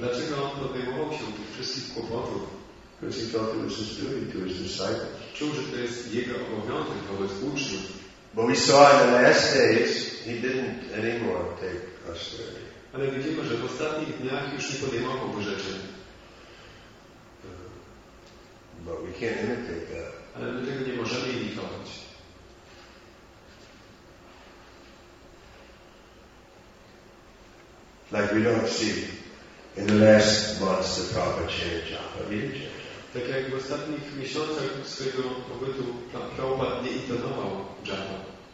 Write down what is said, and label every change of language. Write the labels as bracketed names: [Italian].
[Polish] Dlaczego on podejmował się tych wszystkich kłopotów? [English] Because he felt it was his duty to his disciples. [Polish] Czuł, że to jest jego obowiązek wobec uczniów. [English] But we saw in the last days he didn't anymore take austerity. [Polish] Ale widzimy, że w ostatnich dniach już nie podejmował wyrzeczeń. [English] But we can't imitate that. [Polish] Ale my tego nie możemy imitować. [English] Like we don't see in the last months the proper change of religion. [Polish] Tak jak w ostatnich miesiącach swojego pobytu Prabhupada nie intonował japa.